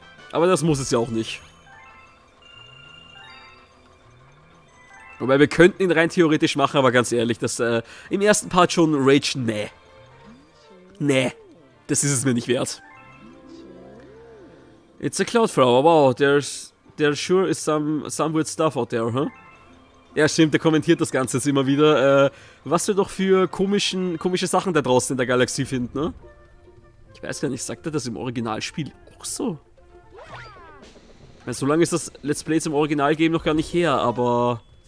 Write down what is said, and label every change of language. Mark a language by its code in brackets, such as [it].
[de] Aber das muss es ja auch nicht. Wobei, wir könnten ihn rein theoretisch machen, aber ganz ehrlich, das im ersten Part schon Rage, ne. Ne, das ist es mir nicht wert. [en] It's a Cloudflower, wow, there's sure is some weird stuff out there, huh? [de] Ja, stimmt, der kommentiert das Ganze jetzt immer wieder. Was wir doch für komische Sachen da draußen in der Galaxie finden, ne? Ich weiß gar nicht, sagt er das im Originalspiel auch so? So lange ist das Let's Play zum Original-Game noch gar nicht her, aber...